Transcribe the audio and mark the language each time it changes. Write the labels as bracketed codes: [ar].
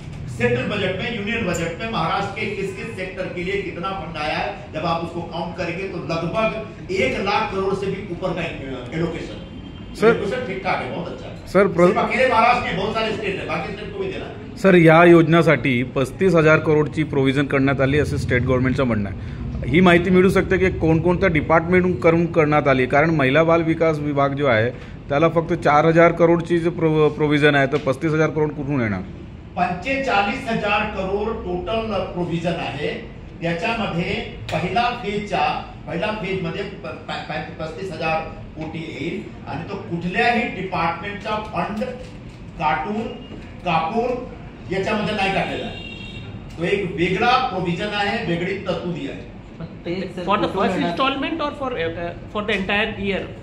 [hi] Central budget में, union budget में महाराष्ट्र के किस किस सेक्टर के लिए कितना फंड आया है, जब आप उसको काउंट करेंगे तो लगभग 1,00,00,000 से भी ऊपर का एलोकेशन सर ठीक ठाक है, बहुत अच्छा सर। अकेले महाराष्ट्र में बहुत सारे स्टेट है, बाकी स्टेट को भी देना। [mr] सर, या योजनेसाठी 35,000 करोडची प्रोव्हिजन करण्यात आली असे स्टेट गव्हर्नमेंटचं म्हणणं आहे। ही माहिती मिळू शकते की कोणकोणत्या डिपार्टमेंटून करून करण्यात आली, कारण महिला बाल विकास विभाग जो आहे त्याला फक्त 4,000 करोडची जे प्रोव्हिजन आहे, तर 35,000 करोड कुठून येणार? 45,000 करोड टोटल प्रोव्हिजन आहे, त्याच्यामध्ये पहिल्या फेजमध्ये 35,000 कोटी येईल, आणि तो कुठल्याही डिपार्टमेंटचा फंड काटून कापून याच्यामध्ये नाही काढलेला आहे। तो एक वेगळा प्रोव्हिजन आहे, वेगळी तरतुदी आहे। [en] For the first instalment or for the entire year?